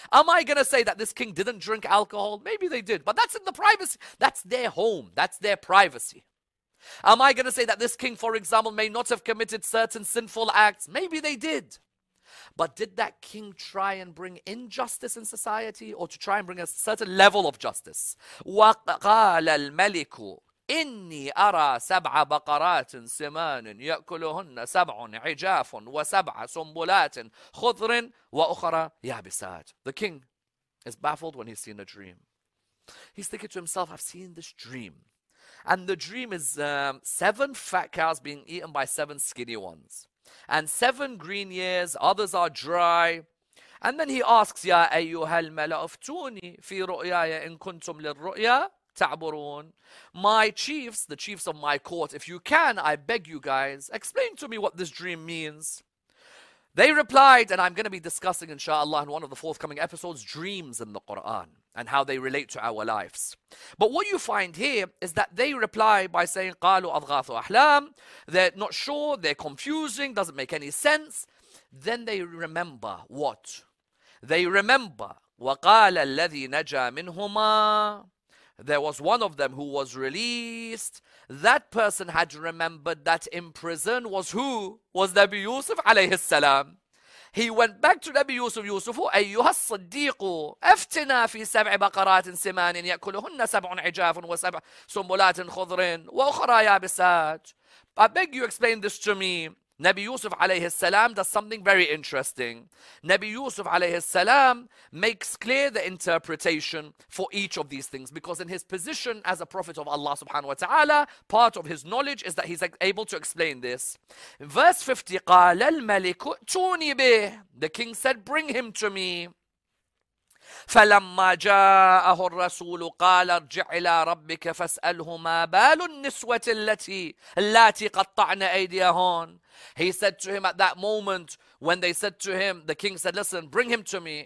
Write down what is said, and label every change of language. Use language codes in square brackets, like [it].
[en] Am I going to say that this king didn't drink alcohol? Maybe they did, but that's in the privacy. That's their home. That's their privacy. Am I going to say that this king, for example, may not have committed certain sinful acts? Maybe they did. But did that king try and bring injustice in society or to try and bring a certain level of justice? [ar] وَقَالَ الْمَلِكُ إني أرى سبع بقرات سمان يأكلهن سبع عجاف وسبع سنبلات خضر وأخرى يابسات. [en] The king is baffled when he's seen a dream. He's thinking to himself, I've seen this dream. And the dream is seven fat cows being eaten by seven skinny ones. And seven green ears, others are dry. And then he asks, [ar] يا أيها الملأ افتوني في رؤياي إن كنتم للرؤيا تعبرون. [en] My chiefs, the chiefs of my court, if you can, I beg you guys, explain to me what this dream means. They replied, and I'm going to be discussing, inshallah, in one of the forthcoming episodes, dreams in the Quran and how they relate to our lives. But what you find here is that they reply by saying, [ar] قالوا أضغاث أحلام. [en] They're not sure, they're confusing, doesn't make any sense. Then they remember what? They remember, [ar] وقال الذي نجا منهما. [en] There was one of them who was released. That person had remembered that in prison was who? Was Nabi Yusuf alayhi salam. He went back to Nabi Yusuf. [ar] Yusuf, أيها الصديق أفتنا في سبع بقرات سمان يأكلهن سبع عجاف وسبع سنبلات خضر وأخرى يابسات. [en] I beg you explain this to me. Nabi Yusuf alayhi salam does something very interesting. Nabi Yusuf alayhi salam makes clear the interpretation for each of these things, because in his position as a prophet of Allah subhanahu wa ta'ala, part of his knowledge is that he's able to explain this. Verse 50, [ar] قَالَ الْمَلِكُ اتُونِي بِهِ. [en] The king said, bring him to me. [ar] فَلَمَّا جَاءَهُ الرَّسُولُ قَالَ ارْجِعْ إِلَىٰ رَبِّكَ فَاسْأَلْهُ مَا بَالُ النِّسْوَةِ اللَّتِي قَطَّعْنَ أَيْدِيَهُنَّ. [en] He said to him at that moment, when they said to him, the king said, listen, bring him to me.